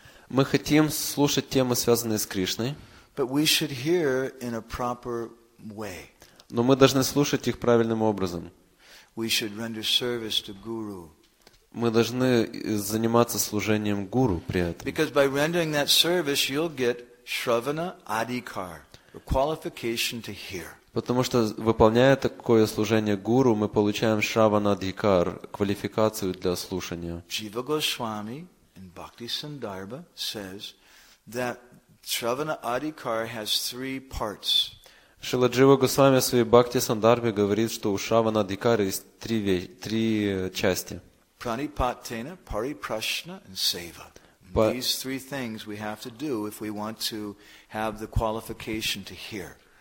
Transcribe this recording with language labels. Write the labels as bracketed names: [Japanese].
[Russian] Мы хотим слушать темы, связанные с Кришной. Но мы должны слушать их правильным образом. [English] We should render service to Guru. [Russian] Мы должны заниматься служением Гуру при этом. [English] Because by rendering that service, you'll get Shravana Adhikar, the qualification to hear. [Russian] Потому что выполняя такое служение Гуру, мы получаем Shravana Adhikar, квалификацию для слушания. [English] Jiva Goswami in Bhakti Sandarbha says that Shravana Adhikar has three parts. [Russian] Шрила Джива Госвами в своей Бхакти Сандарбе говорит, что у Шравана Адхикара есть три части. [Sanskrit] Пранипаттена, парипрашна и сева. [English] These three things we have to do if we want to have the qualification to hear.